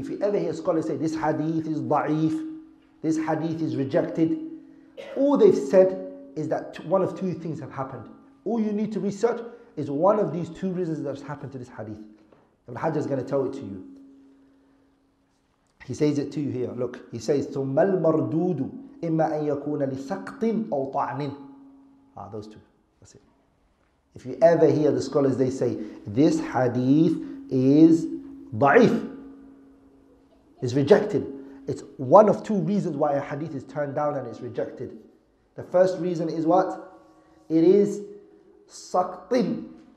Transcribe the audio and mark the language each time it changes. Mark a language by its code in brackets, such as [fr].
[en] If you ever hear scholars say this hadith is da'if, this hadith is rejected, all they've said is that one of two things have happened. All you need to research is one of these two reasons that has happened to this hadith. Ibn Hajar is going to tell it to you. He says it to you here. Look, he says, [ar] ثُمَّ الْمَرْدُودُ إِمَّا أَن يَكُونَ لِسَقْطٍ أَوْ طَعْنٍ. [en] Ah, those two. That's it. If you ever hear the scholars, they say this hadith is ضعيف, is rejected. It's one of two reasons why a hadith is turned down and it's rejected. The first reason is what? It is saqtin.